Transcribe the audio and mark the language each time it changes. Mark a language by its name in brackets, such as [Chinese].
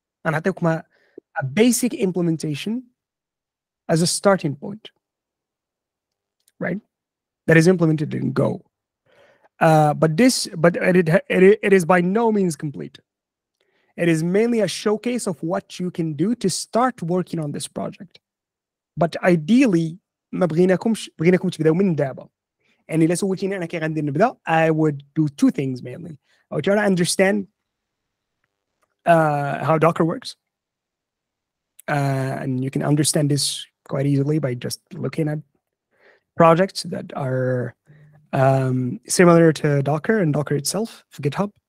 [English] And I think a basic implementation as a starting point, right? That is implemented in Go. But it is by no means complete. It is mainly a showcase of what you can do to start working on this project. But ideally, [Arabic] ما بغيناكمش تبداو من دابا. [English] And [Arabic] إلا سويتين أنا كي غندير نبدا, [English] I would do two things mainly. I would try to understand how Docker works. And you can understand this quite easily by just looking at projects that are similar to Docker and Docker itself for GitHub.